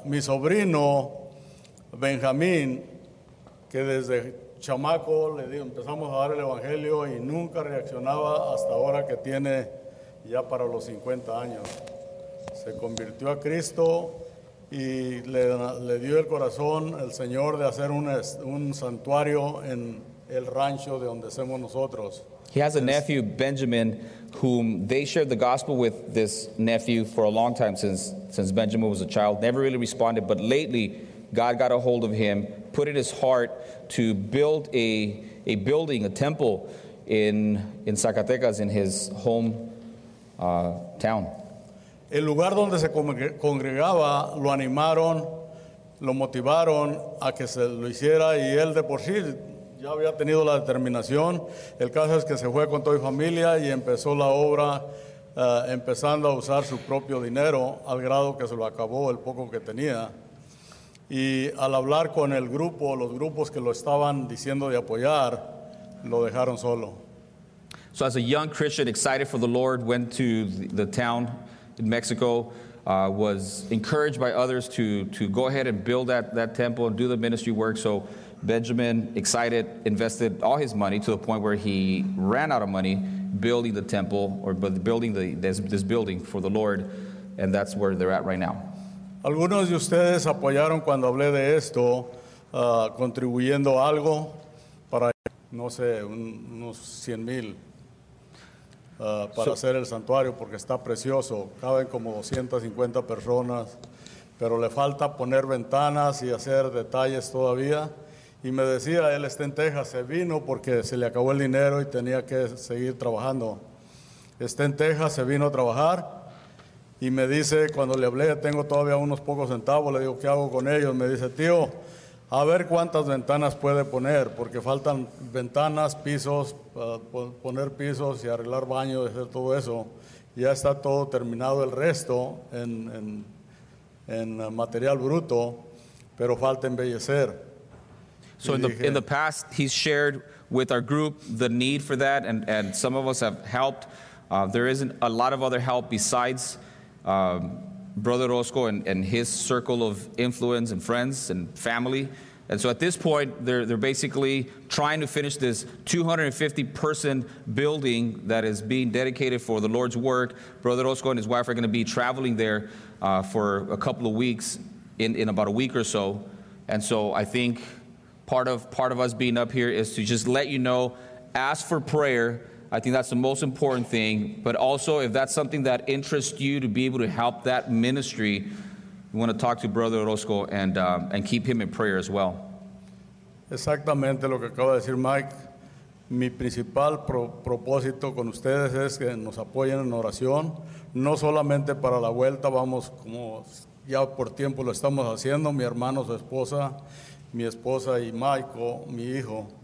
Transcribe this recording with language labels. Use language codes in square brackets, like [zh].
[es] Mi sobrino Benjamín, que desde chamaco le digo, empezamos a dar el evangelio y nunca reaccionaba hasta ahora que tiene ya para los 50 años. Se convirtió a Cristo y le dio el corazón el Señor de hacer un santuario en el rancho de donde somos nosotros. [en] He has a nephew, Benjamin, whom they shared the gospel with this nephew for a long time since Benjamin was a child. Never really responded, but lately God got a hold of him, put in his heart to build a building, a temple in Zacatecas, in his home town. [es] El lugar donde se congregaba lo animaron, lo motivaron a que se lo hiciera y él de por sí ya había tenido la determinación. El caso es que se fue con toda su familia y empezó la obra empezando a usar su propio dinero al grado que se lo acabó el poco que tenía. Y al hablar con el grupo, los grupos que lo estaban diciendo de apoyar, lo dejaron solo. [en] So as a young Christian, excited for the Lord, went to the town in Mexico, was encouraged by others to go ahead and build that temple and do the ministry work. So Benjamin, excited, invested all his money to the point where he ran out of money building the temple, or building this building for the Lord, and that's where they're at right now. [es] Algunos de ustedes apoyaron cuando hablé de esto, contribuyendo algo para, no sé, unos 100,000 para hacer el santuario, porque está precioso. Caben como 250 personas, pero le falta poner ventanas y hacer detalles todavía. Y me decía, él está en Texas, se vino porque se le acabó el dinero y tenía que seguir trabajando. Está en Texas, se vino a trabajar. Y me dice, cuando le hablé, tengo todavía unos pocos centavos, le digo, ¿qué hago con ellos? Me dice, tío, a ver cuántas ventanas puede poner, porque faltan ventanas, pisos, poner pisos y arreglar baños, hacer todo eso. Ya está todo terminado el resto en material bruto, pero falta embellecer. [en] So in the past, he's shared with our group the need for that, and some of us have helped. There isn't a lot of other help besides Brother Orozco and his circle of influence and friends and family. And so at this point, they're basically trying to finish this 250-person building that is being dedicated for the Lord's work. Brother Orozco and his wife are going to be traveling there for a couple of weeks, in about a week or so. And so I think part of us being up here is to just let you know, ask for prayer. I think that's the most important thing. But also, if that's something that interests you to be able to help that ministry, you want to talk to Brother Orozco and keep him in prayer as well. [es] Exactamente lo que acaba de decir Mike. Mi principal propósito con ustedes es que nos apoyen en oración, no solamente para la vuelta, vamos como ya por tiempo lo estamos haciendo, mi hermano, su esposa, mi esposa y Michael, mi hijo.